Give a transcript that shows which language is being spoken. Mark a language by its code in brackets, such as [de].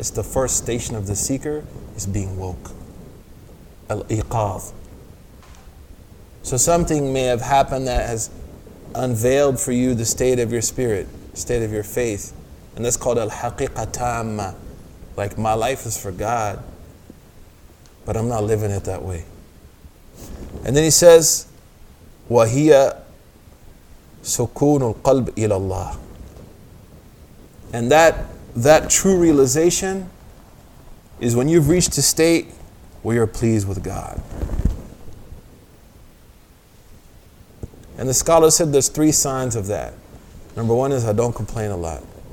[en] It's the first station of the seeker is being woke. Al-iqadh. So something may have happened that has unveiled for you the state of your spirit, state of your faith. And that's called al-haqiqa tamma. Like, my life is for God, but I'm not living it that way. And then he says, [ar] وَهِيَ سُكُونُ الْقَلْبِ إِلَى اللَّهِ. [en] And that true realization is when you've reached a state where you're pleased with God. And the scholars said there's 3 signs of that. Number 1 is I don't complain a lot.